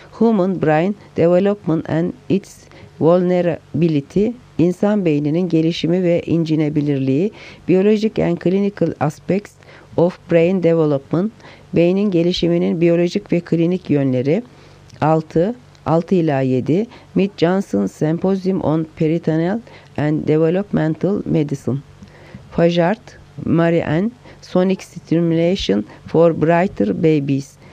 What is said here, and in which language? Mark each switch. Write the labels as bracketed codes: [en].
[en] Human Brain Development and Its Vulnerability. [tr] İnsan beyninin gelişimi ve incinebilirliği. [en] Biologic and Clinical Aspects of Brain Development. [tr] Beynin gelişiminin biyolojik ve klinik yönleri. [en] 6-7. Mid Johnson Symposium on Peritoneal and Developmental Medicine. Fajard, Marianne, Sonic Stimulation for Brighter Babies.